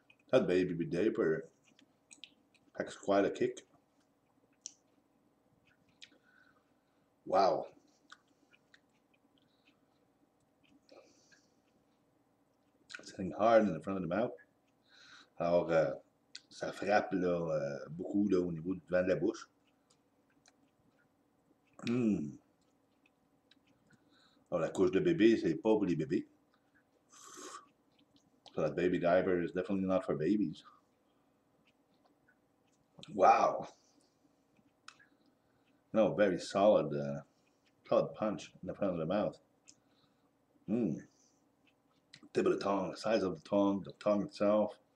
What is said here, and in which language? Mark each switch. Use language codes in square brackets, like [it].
[en] That baby diaper packs quite a kick. Wow. It's thing hard in the front of the mouth. [fr] Alors, ça frappe là, beaucoup là, au niveau du devant de la bouche. Alors, la couche de bébé, c'est pas pour les bébés. [en] So that baby diaper is definitely not for babies. Wow. No, very solid, solid punch in the front of the mouth. Tip of the tongue, the size of the tongue itself.